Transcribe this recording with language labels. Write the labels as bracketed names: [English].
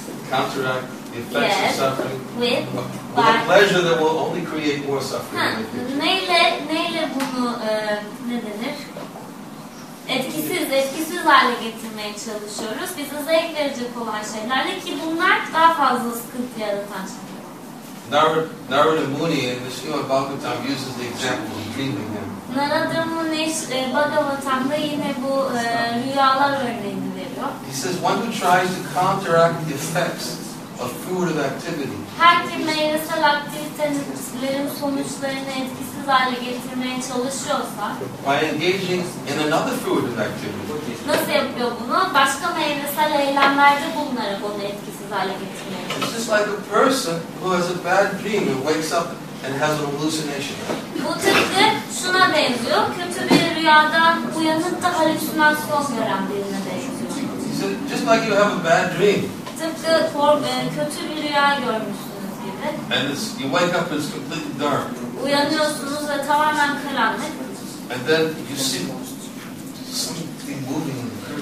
[English] Counteract the effects yes, of suffering. With a pleasure that will only create more suffering. [Turkish] Neyle bunu ne denir? Etkisiz hale getirmeye çalışıyoruz. Bize zevk verecek olan şeylerle ki bunlar daha fazla sıkıntı yaratan şeyler. [English] Narada Muni in the Srimad Bhagavatam uses the example of dreaming. [Turkish] Narada Muni Bhagavatam'da yine bu rüyalar örneğini veriyor. [English] He says one who tries to counteract the effects of fruitive activity. [Turkish] Her kim meyvesel aktivitelerin sonuçlarını etkisiz hale getirmeye çalışıyorsa, [English] by engaging in another fruitive activity. [Turkish] Nasıl yapıyor bunu? Başka meyvesel yapısal eylemlerde bulunarak onu etkisiz hale getirmeye çalışır. [English] This is like a person who has a bad dream and wakes up and has an hallucination. [Turkish] Bu tıpkı şuna benziyor. Kötü bir rüyadan uyanıp da halüsinasyon gören birine benziyor. [English] So just like you have a bad dream. [Turkish] Tıpkı kötü bir rüya görmüşsünüz gibi. [English] And you wake up and it's completely dark. [Turkish] Uyanıyorsunuz ve tamamen karanlık. [English] And then you see something moving.